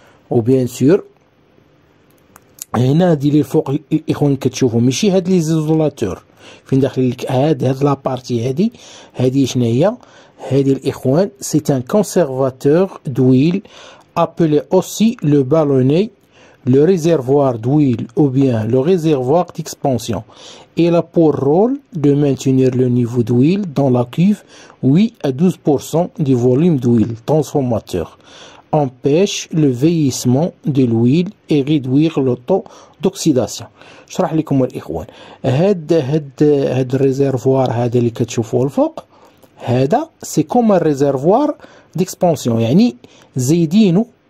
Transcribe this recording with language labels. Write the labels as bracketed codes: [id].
[ar] وبيان سور هنا هادي لي الفوق الاخوان كتشوفو، ماشي هاد لي زيزولاتور فين داخل لك، هاد لابارتي هادي شناهي، هادي الاخوان [fr] سي ان كونسيرفاتور دويل ابيلي اوسي لو بالوني le réservoir d'huile ou bien le réservoir d'expansion. Il a pour rôle de maintenir le niveau d'huile dans la cuve 8 à 12% du volume d'huile transformateur. empêche le vieillissement de l'huile et réduire le taux d'oxydation. [ar] اشرح لكم الاخوان، هاد الريزرفوار هذا اللي كتشوفوه الفوق، هذا سي كوم ريزرفوار ديكسبونسيون، يعني زايدينو